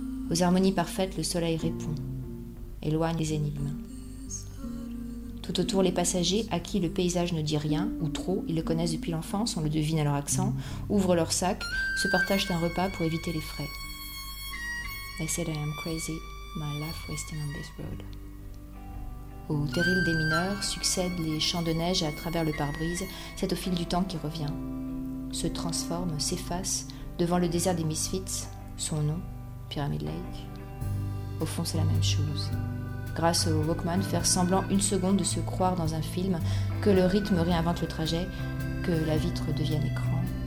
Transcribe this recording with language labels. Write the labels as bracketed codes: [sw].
[fr] Aux harmonies parfaites, le soleil répond, éloigne les énigmes. Tout autour, les passagers, à qui le paysage ne dit rien, ou trop, ils le connaissent depuis l'enfance, on le devine à leur accent, ouvrent leurs sacs, se partagent un repas pour éviter les frais. [en] I said I am crazy, my life wasting on this road. [fr] Au terril des mineurs succèdent les champs de neige à travers le pare-brise, c'est au fil du temps qui revient. Se transforme, s'efface, devant le désert des Misfits, son nom, Pyramid Lake. Au fond, c'est la même chose. Grâce au Walkman, faire semblant une seconde de se croire dans un film, que le rythme réinvente le trajet, que la vitre devienne écran.